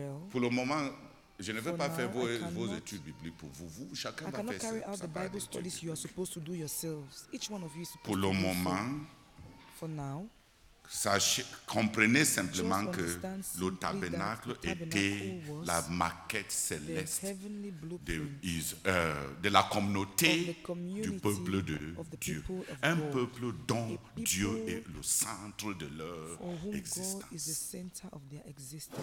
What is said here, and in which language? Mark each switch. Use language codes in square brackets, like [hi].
[fr] pour le moment, je ne vais pas faire vos études bibliques pour vous. Vous, chacun va faire [en] carry out the Bible studies you are supposed to do yourselves. Each one of you is supposed [fr] pour le moment, [en] for now, [fr] comprenez simplement que le tabernacle était la maquette céleste de la communauté du peuple de Dieu. Un peuple dont Dieu est le centre de leur existence.